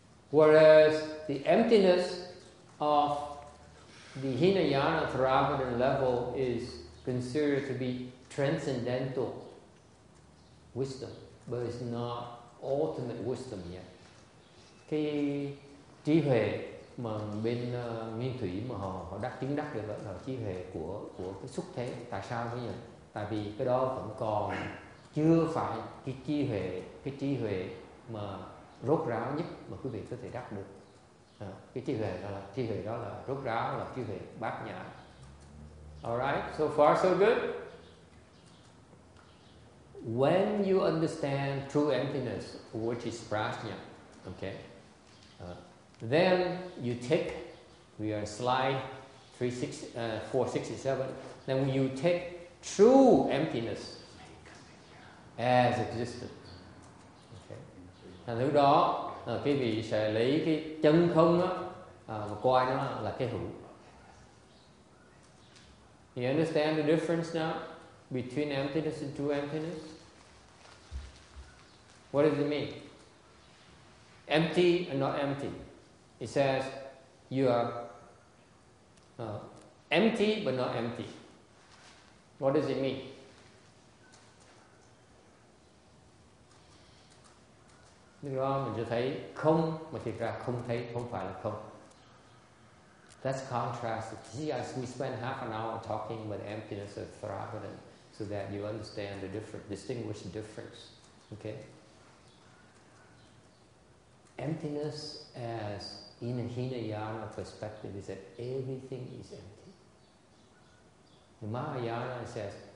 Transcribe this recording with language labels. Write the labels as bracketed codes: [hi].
[en] Whereas the emptiness of the Hinayana Theravadan level is considered to be transcendental wisdom, but it's not ultimate wisdom yet. [vi] Cái trí huệ mà bên nguyên thủy mà họ đắc chứng đắc được là trí huệ của cái xuất thế. Tại sao thế nhỉ? Tại vì cái đó vẫn còn chưa phải cái trí huệ mà rốt ráo nhất mà quý vị có thể đắc được. Cái trí huệ đó là rốt ráo, là trí huệ bát nhã. [en] Alright, so far so good. When you understand true emptiness, which is prajna, okay. Then you take, we are slide 467, then you take true emptiness as existence. Okay. [vi] Và lúc đó, quý vị sẽ lấy cái chân không đó, và coi nó là cái hữu. [en] You understand the difference now between emptiness and true emptiness? What does it mean? Empty and not empty. It says you are empty but not empty. What does it mean? [vi] Lúc đó mình sẽ thấy không, mà thực ra không thấy, không phải là không. [en] That's contrast. See, as we spend half an hour talking about emptiness of Theravadan, so that you understand the difference, distinguish the difference. Okay. Emptiness as in a Hinayana perspective is that everything is empty. The Mahayana says